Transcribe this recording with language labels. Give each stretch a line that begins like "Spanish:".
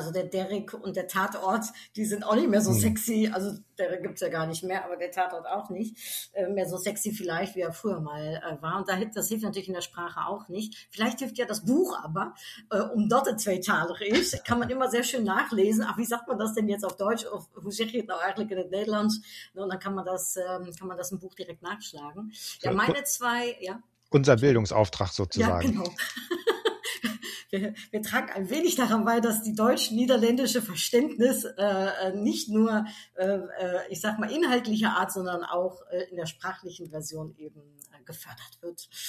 German: Also der Derrick und der Tatort, die sind auch nicht mehr so sexy. Also Derrick gibt es ja gar nicht mehr, aber der Tatort auch nicht. Mehr so sexy vielleicht, wie er früher mal war. Und das hilft natürlich in der Sprache auch nicht. Vielleicht hilft ja das Buch aber, um dort zwei Taler ist. Kann man immer sehr schön nachlesen. Ach, wie sagt man das denn jetzt auf Deutsch?
Dutch: Hoe zeg je het nou eigenlijk in het Nederlands?
German: Und dann kann man das im Buch direkt nachschlagen. Ja, meine zwei. Ja, Unser Bildungsauftrag ja sozusagen. genau. Wir tragen ein wenig daran bei, dass die deutsch-niederländische Verständnis nicht nur, ich sag mal, inhaltlicher Art, sondern auch in der sprachlichen Version eben gefördert wird.